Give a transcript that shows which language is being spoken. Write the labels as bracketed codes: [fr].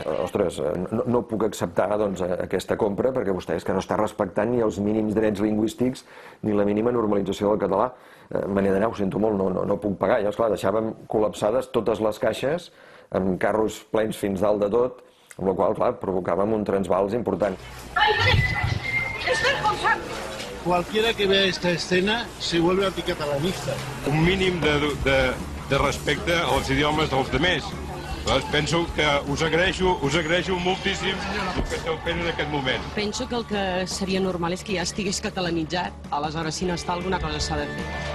[ca] Ostres, no puc acceptar doncs, aquesta compra, perquè vostè és que no està respectant ni els mínims drets lingüístics ni la mínima normalització del català. Me n'he d'anar, ho sento molt, no puc pagar. I, esclar, deixàvem col·lapsades totes les caixes amb carros plens fins dalt de tot, amb la qual cosa, clar, provocàvem un transvals important. [es] Cualquiera que vea esta escena se vuelve anticatalanista. [ca] Un mínim de respecte als idiomes dels altres. Penso que us agraeixo moltíssim el que esteu fent en aquest moment. Penso que el que seria normal és que ja estigués catalanitzat. Aleshores, si no està, alguna cosa s'ha de fer.